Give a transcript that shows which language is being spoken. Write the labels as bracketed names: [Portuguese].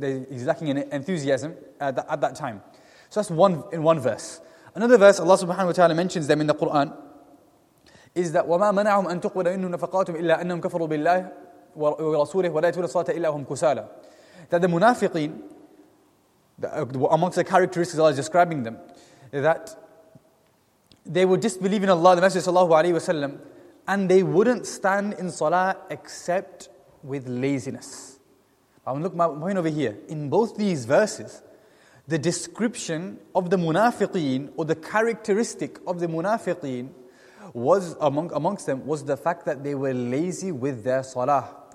[English] He's lacking in enthusiasm at that time. So that's one in one verse. Another verse, Allah subhanahu wa ta'ala mentions them in the Quran, is that [Arabic] وَمَا مَنَعَهُمْ أَن تُقْبَلَ مِنْهُمْ نَفَقَاتُهُمْ إِلَّا أَنَّهُمْ كَفَرُوا بِاللَّهِ وَرَسُولِهِ وَلَا يَتُولَ الصَّلَاةَ إِلَّا هُمْ كُسَالَى. [English] That the munafiqeen, amongst the characteristics Allah is describing them, that they would disbelieve in Allah, the Messenger sallallahu alayhi wa sallam, and they wouldn't stand in salah except with laziness. I want to look my point over here. In both these verses, the description of the munafiqeen, or the characteristic of the munafiqeen, was amongst them was the fact that they were lazy with their salah.